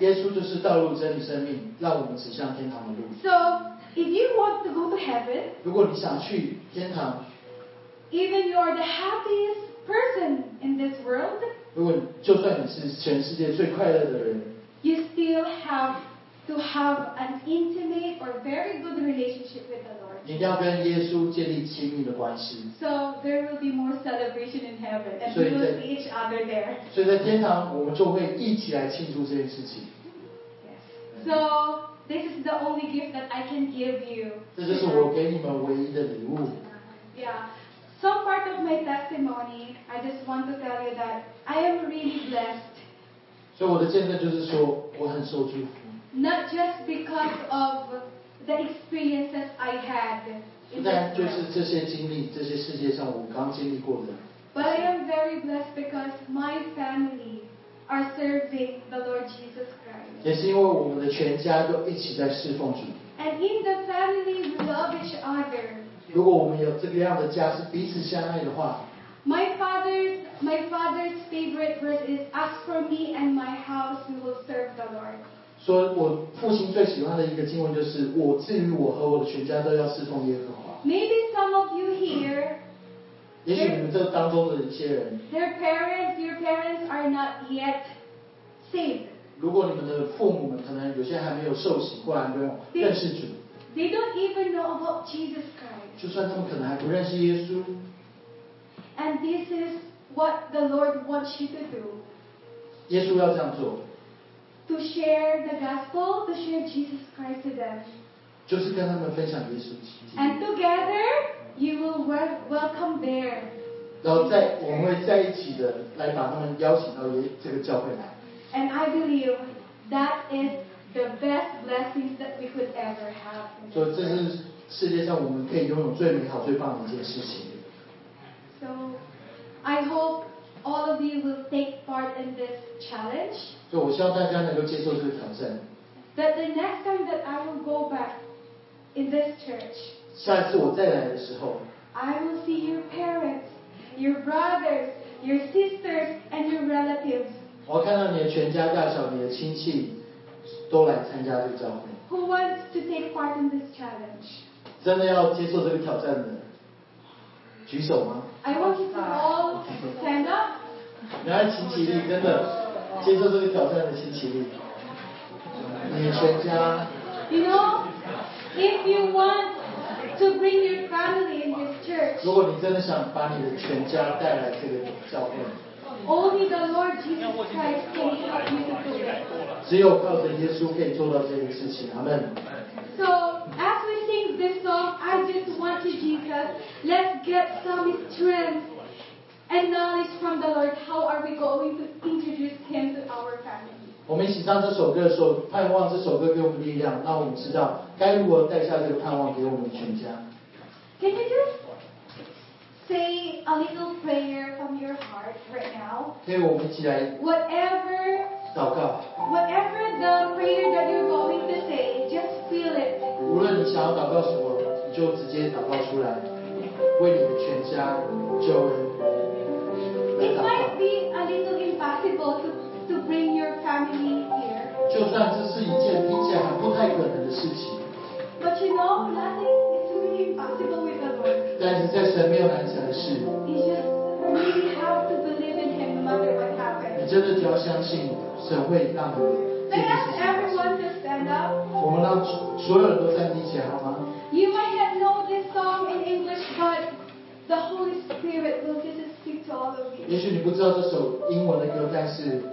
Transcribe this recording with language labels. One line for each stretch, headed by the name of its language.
Chinese: 耶稣就是道路、真理、生命，让我们指向天堂的路。
English: So, if you want to go to heaven,
Chinese: 如果你想去天堂
English: even you are the happiest person in this world,
Chinese: 如果就算你是全世界最快乐的人
English: you still have to have an intimate or very good relationship with the Lord.
Chinese: 你一定要跟耶稣建立亲密的关系。
English: So there will be more celebration in heaven, and we will see each other there.
Chinese: 所以在天堂，我们就会一起来庆祝这件事情。
English: Yes. So this is the only gift that I can give you.
Chinese: 这就是我给你们唯一的礼物。
English: Yeah. So part of my testimony, I just want to tell you that I am really blessed.
Chinese: 所以我的见证就是说我很受祝福。
English: Not just because of the experiences I had.
Chinese: 就是这些经历，这些世界上我刚经历过的。
English: But I am very blessed because my family are serving the Lord Jesus Christ.
Chinese: 也是因为我们的全家都一起在侍奉主。
English: And in the family, we love each other.
Chinese: 如果我们有这个样的家是彼此相爱的话。
English: My father's favorite verse is, "As for me and my house, we will serve the Lord."
Chinese: 说我父亲最喜欢的一个经文就是，我至于我和我的全家都要侍奉耶和华。
English: Maybe some of you here.
Chinese: 也许你们这当中的一些人
English: their parents, your parents are not yet saved.
Chinese: 如果你们的父母们可能有些还没有受洗过来，没有认识主
English: they don't even know about Jesus Christ.
Chinese: 就算他们可能还不认识耶稣
English: And this is what the Lord wants you to do.
Chinese: 耶稣要这样做
English: To share the gospel, to share Jesus Christ to them.
Chinese: 就是跟他们分享耶稣基
English: 督 And together,You will welcome there.
Chinese: 然后在我们会在一起的，来把他们邀请到这个教会来。
English: And I believe that is the best blessings that we could ever have.
Chinese: 所以这是世界上我们可以拥有最美好、最棒的一件事情。
English: So I hope all of you will take part in this challenge.
Chinese: 所以我希望大家能够接受这个挑战。
English: That the next time that I will go back in this church.
Chinese: 下一次我再来的时候
English: I will see your parents, your brothers, your sisters, and your relatives.
Chinese: 我看到你的全家大小，你的亲戚都来参加这个教会。
English: Who wants to take part in this challenge?
Chinese: 真的要接受这个挑战的，举手吗
English: ？I want you to all stand up.
Chinese: 你要齐齐力，真的接受这个挑战的齐齐力。你的全家。
English: You know, if you want. To bring your family in this church.
Chinese: 如果你真的想把你的全家带来这个教会
English: Only the Lord Jesus Christ can help you to do it.
Chinese: 只有靠着耶稣可以做到这件事情 Amen.
English: So, as we sing this song, I just want to Jesus, let's get some strength and knowledge from the Lord. How are we going to introduce Him to our family?
Chinese: 我们一起唱这首歌的时候，盼望这首歌给我们力量，让我们知道该如何带下这个盼望给我们全家。
English: Can you just say a little prayer from your heart right now?
Chinese: 可以，我们一起来。
English: Whatever.
Chinese: 祷告。
English: Whatever the prayer that you're going to say, just feel it.
Chinese: 无论你想要祷告什么，你就直接祷告出来，为你的全家救恩。
English: It might be a little impossible to bring your family here.
Chinese: 就算这是一件听起来还不太可能的事情。
English: But you know, nothing is really impossible with the Lord.
Chinese: 但是在神没有难成的事。
English: You just really have to believe in Him, no matter what happens.
Chinese: 你真的只要相信神会让你。
English: Let us everyone to stand up.
Chinese: 我们让所有人都站立起来好吗
English: ？You might not know this song in English, but the Holy Spirit will just speak to all of you.
Chinese: 也许你不知道这首英文的歌，但是。